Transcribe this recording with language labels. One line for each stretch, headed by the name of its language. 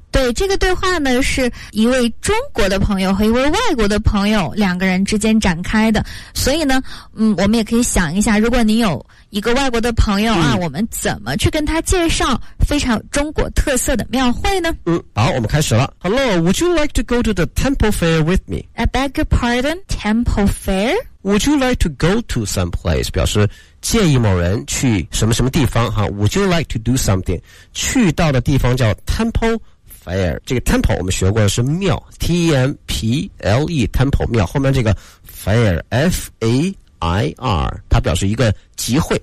Chinese: 对，这个对话呢是一位中国的朋友和一位外国的朋友两个人之间展开的，所以呢我们也可以想一下，如果你有一个外国的朋友啊、我们怎么去跟他介绍非常中国特色的庙会呢？好，我们开始了。
English: Hello, would you like to go to the temple fair with me? I beg your pardon, temple fair? Would you like to go to some place?
Chinese: 表示建议某人去什么什么地方哈。
English: Would you like to do something?
Chinese: 去到的地方叫
English: temple fair。
Chinese: 这个 temple 我们学过的是庙， T-E-M-P-L-E, temple 庙，后面这个 fair, F-A-I-R, 它表示一个集会，